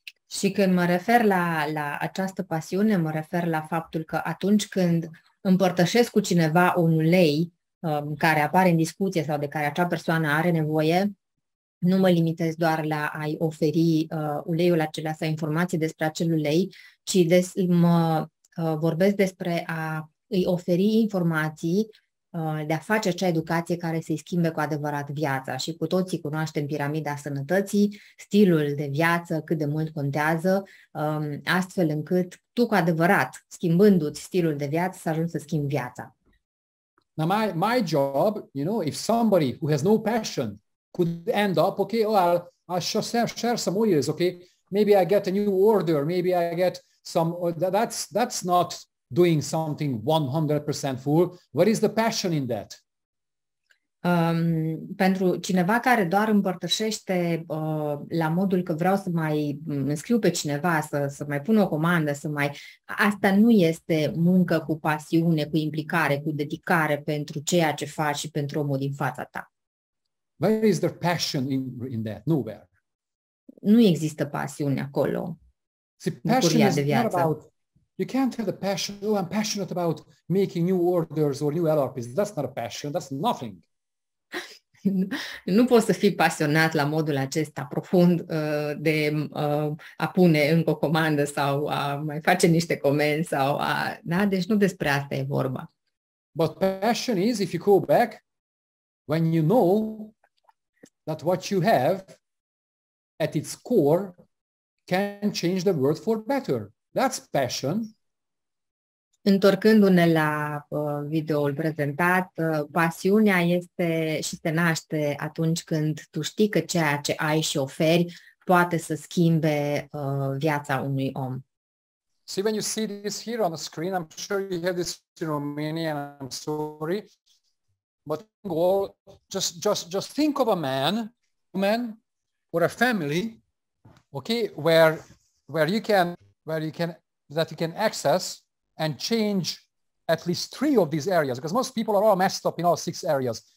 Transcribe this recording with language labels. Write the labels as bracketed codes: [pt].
[ro] Și când mă refer la această pasiune, mă refer la faptul că atunci când împărtășesc cu cineva un ulei care apare în discuție sau de care acea persoană are nevoie, nu mă limitez doar la a-i oferi uleiul acela sau informații despre acel ulei, ci mă vorbesc despre a îi oferi informații de a face acea educație care să-i schimbe cu adevărat viața. Și cu toții cunoaștem piramida sănătății, stilul de viață, cât de mult contează, astfel încât tu cu adevărat, schimbându-ți stilul de viață, să ajungi să schimbi viața. [en] Now my job, you know, if somebody who has no passion could end up, okay, well, I'll share some oils, okay, maybe I get a new order, maybe I get some, that's not doing something 100% full. What is the passion in that? [ro] Pentru cineva care doar împărtășește la modul că vreau să mai înscriu pe cineva, să mai pun o comandă, să mai... Asta nu este muncă cu pasiune, cu implicare, cu dedicare pentru ceea ce faci și pentru omul din fața ta. [en] Where is the passion in that? Nowhere. [ro] Nu există pasiune acolo. [en] See, passion is [ro] de viață. [en] Not about, you can't have the passion, oh, I'm passionate about making new orders or new LRPs. That's not a passion, that's nothing. [ro] Nu poți să fii pasionat la modul acesta profund de a pune încă o comandă sau a mai face niște comenzi sau a, da, deci nu despre asta e vorba. [en] But passion is if you go back when you know that what you have at its core can change the world for better. That's passion. [ro] Întorcându-ne la videoul prezentat, pasiunea este și se naște atunci când tu știi că ceea ce ai și oferi poate să schimbe viața unui om. [en] See, when you see this here on the screen, I'm sure you have this in Romania, and I'm sorry, but just think of a man, or a family, okay, where you can access and change at least three of these areas, because most people are all messed up in all six areas.